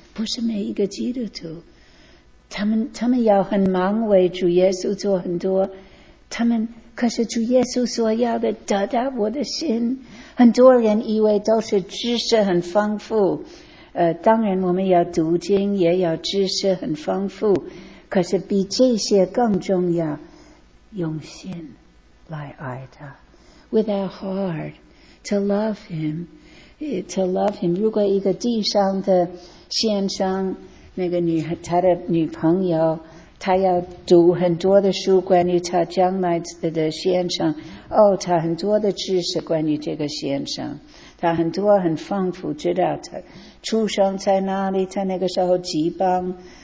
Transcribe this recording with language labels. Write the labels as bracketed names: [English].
[Chinese] 不是每一个基督徒，他们要很忙为主耶稣做很多，他们可是主耶稣所要的得到我的心。很多人以为都是知识很丰富，当然我们要读经也要知识很丰富，可是比这些更重要，用心来爱他。 [English] With our heart, to love him, to love him. [Chinese] 如果一个地上的先生，那个女，他的女朋友，他要读很多的书关于他将来的先生，哦，他很多的知识关于这个先生，他很多很丰富，知道他出生在哪里，他那个时候几磅。